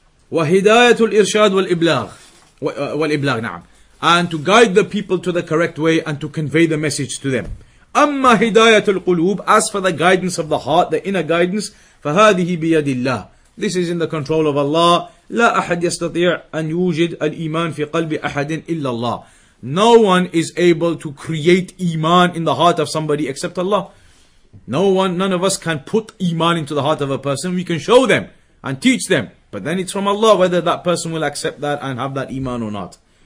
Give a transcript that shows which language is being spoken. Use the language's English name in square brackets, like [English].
[Arabic] وَهِدَايَةُ الْإِرْشَادُ وَالْإِبْلَاغُ وَالْإِبْلَاغُ نَعَمْ. [English] And to guide the people to the correct way and to convey the message to them. [Arabic] أَمَّا هِدَايَةُ الْقُلُوبُ. [English] As for the guidance of the heart, the inner guidance, [Arabic] فَهَذِهِ بِيَدِ اللَّهِ. [English] This is in the control of Allah. [Arabic] لا أحد يستطيع أن يوجد الإيمان في قلب أحد إلا الله. [English] No one is able to create Iman in the heart of somebody except Allah. No one, none of us can put Iman into the heart of a person. We can show them and teach them. But then it's from Allah whether that person will accept that and have that Iman or not.